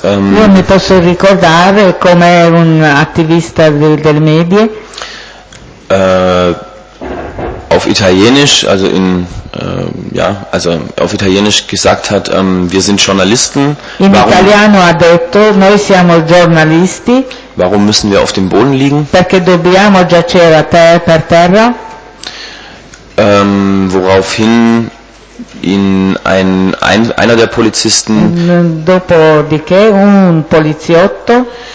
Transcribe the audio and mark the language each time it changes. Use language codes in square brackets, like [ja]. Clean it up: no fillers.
[it] io mi posso ricordare come un attivista delle medie [de] auf Italienisch, also in ja, also auf Italienisch gesagt hat, wir sind Journalisten. [it] In [de] warum, [it] italiano ha detto noi siamo giornalisti. [de] Warum müssen wir auf dem Boden liegen? [it] Perché dobbiamo giacere a terra per terra? [de] Woraufhin in einer der Polizisten [it] dopodiché un poliziotto